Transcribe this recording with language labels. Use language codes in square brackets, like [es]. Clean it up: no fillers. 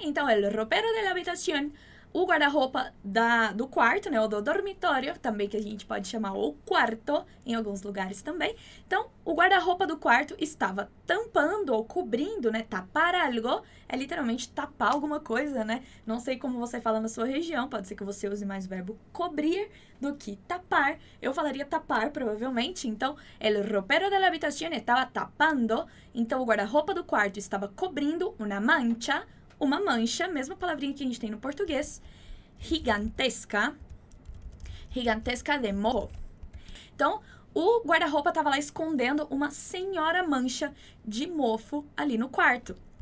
[pt] Então, [es] el ropero de la habitación, [pt] o guarda-roupa do quarto, né? Ou do dormitório, também que a gente pode chamar o quarto, em alguns lugares também. Então, o guarda-roupa do quarto estava tampando ou cobrindo, né? Tapar algo, é literalmente tapar alguma coisa, né? Não sei como você fala na sua região, pode ser que você use mais o verbo cobrir do que tapar. Eu falaria tapar, provavelmente. [es] Então, el ropero de la habitación estaba tapando. [pt] Então, o guarda-roupa do quarto estava cobrindo [es] una mancha. [pt] Uma mancha, mesma palavrinha que a gente tem no português, gigantesca de moho. Então, o guarda-roupa estava lá escondendo uma senhora mancha de mofo ali no quarto.